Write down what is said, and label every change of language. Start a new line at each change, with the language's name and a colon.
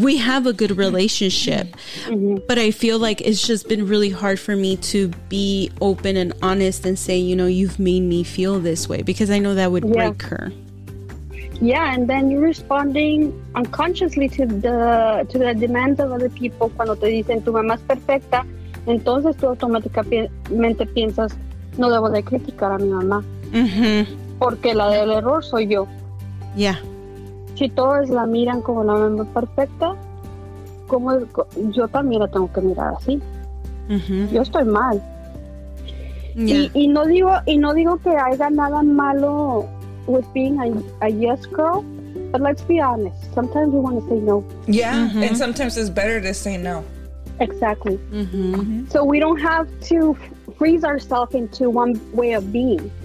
English: We have a good relationship. But I feel like it's just been really hard for me to be open and honest and say, you know, you've made me feel this way, because I know that would break her. Yeah, and then you're responding unconsciously to the demands of other people.
Spanish: Cuando te dicen tu mamá es perfecta, entonces tú automáticamente piensas, no debo de criticar a mi mamá, porque la del error soy yo.
English: Yeah.
Spanish: Si todos la miran como la mamá perfecta, como yo también la tengo que mirar así. Yo estoy mal. Y no digo, y no digo que haya nada malo
English: with being a yes girl, but let's be honest, sometimes you want to say no. And sometimes it's better to say no. Exactly. So we don't have to freeze ourselves into one way of being,